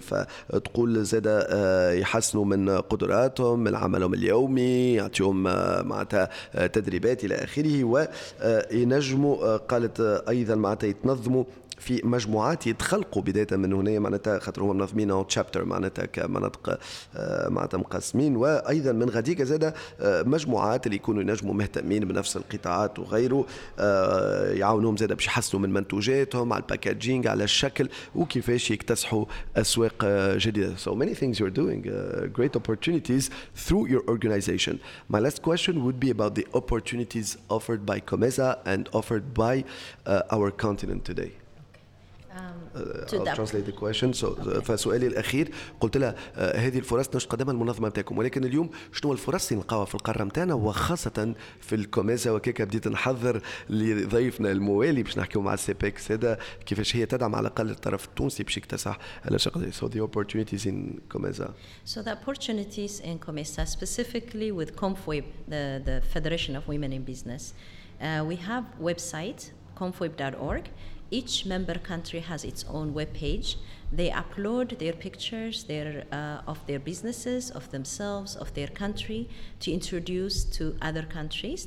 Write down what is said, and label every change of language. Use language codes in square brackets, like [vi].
[ar] فتقول زادة يحسنوا من قدراتهم، من عملهم اليومي، يعطيهم معناتها تدريبات إلى آخره، وينجموا قالت أيضا معناتها يتنظموا في مجموعات يتخلقوا بداية من هنا، معناتها خاطر هم منظمين أو تشابتر معناتها كمناطق معناتها مقسمين، وأيضا من غاديك زادة مجموعات اللي يكونوا ينجموا مهتمين بنفس القطاعات وغيره، يعاونهم زادة باش يحسنوا من منتوجاتهم على الباكاجينج على الشكل وكيفاش يكتسحوا أسواق جديدة. [en] So many things you're doing, great opportunities through your organization. My last question would be about the opportunities offered by COMESA and offered by our continent today. I'll translate the question. [ar] So, فسؤالي الأخير قلت لها هذه الفرص نش قدمها المنظمة بتاعكم، ولكن اليوم شنو الفرص اللي نلقاها في القارة متاعنا وخاصة في الكوميزا؟ وكيكا بديت نحذر لضيفنا الموالي باش نحكيو مع السيبك سادة كيفاش هي تدعم على الأقل الطرف التونسي باش يكتسح على شغل. [en] So the opportunities in COMESA. So the opportunities in COMESA, specifically with COMFWEB, the Federation of Women in Business. We have website COMFWEB.org. Each member country has its own webpage. They upload their pictures, their of their businesses, of themselves, of their country, to introduce to other countries.